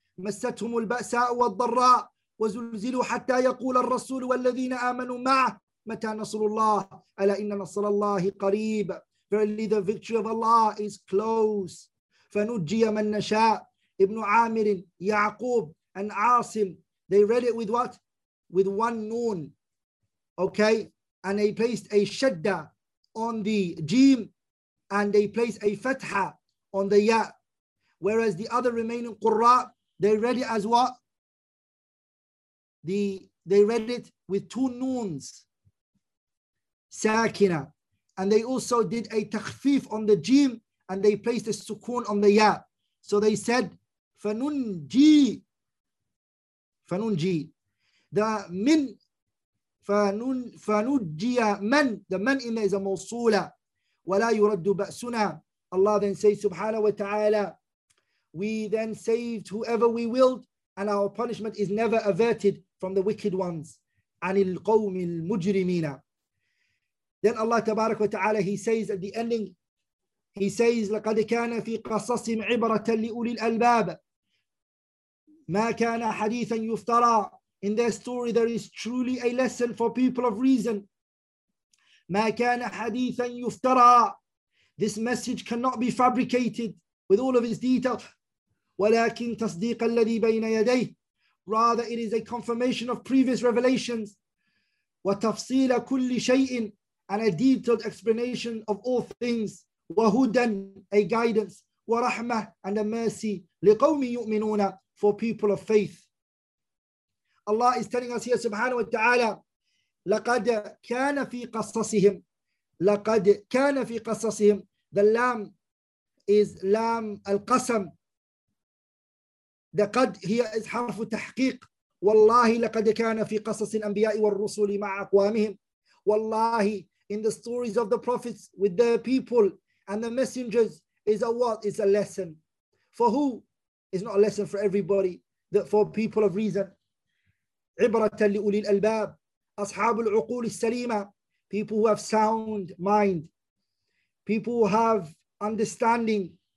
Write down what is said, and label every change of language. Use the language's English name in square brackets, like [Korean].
[Arabic] مستهم البأساء والضراء وزلزلوا حتى يقول الرسول والذين آمنوا معه متى نصر الله ألا إن نصر الله قريب. [English] Verily the victory of Allah is close. [Arabic] فنجي من نشاء. [English] Ibn Amir, Yaqub, and Asim, they read it with what? With one noon. Okay? And they placed a shadda on the jim, and they placed a fatha on the ya. Whereas the other remaining qurra, they read it as what? They read it with two noons, sakina. And they also did a takhfif on the jim, and they placed a sukun on the ya. So they said, فننجي the [Arabic] من فننجي من, [English] the من in there is a [Arabic] موصولة ولا يرد بأسنا. [English] Allah then says subhanahu wa ta'ala, we then saved whoever we willed and our punishment is never averted from the wicked ones. [Arabic] عن القوم المجرمين. [English] Then Allah tabarak wa ta'ala, he says at the ending, he says [Arabic] لقد كان في قصصهم عبرة لأولي الألباب ما كان حديثا يفترى. [English] In their story there is truly a lesson for people of reason. [Arabic] ما كان حديثا يفترى, [English] this message cannot be fabricated with all of its details. [Arabic] ولكن تصديق الذي بين يديه, [English] rather it is a confirmation of previous revelations. [Arabic] وتفصيل كل شيء, [English] and a detailed explanation of all things. وهدى, a guidance. ورحمة, and a mercy. [Arabic] لقوم يؤمنون, [English] for people of faith. Allah is telling us here subhanahu wa ta'ala, [Arabic] لقد كان في قصصهم, [English] لقد كان في قصصهم, the lam is lam al-qasam, the قد here is [Arabic] حرف تحقيق. والله لقد كان في قصص الأنبياء والرسل مع أقوامهم. [English] والله, in the stories of the prophets with their people and the messengers, is a what? Is a lesson. For who? It's not a lesson for everybody, that for people of reason. [Arabic] عِبْرَةً لِأُولِي الْأَلْبَابِ أَصْحَابُ الْعُقُولِ السَّلِيمَةِ, [English] people who have sound mind, people who have understanding.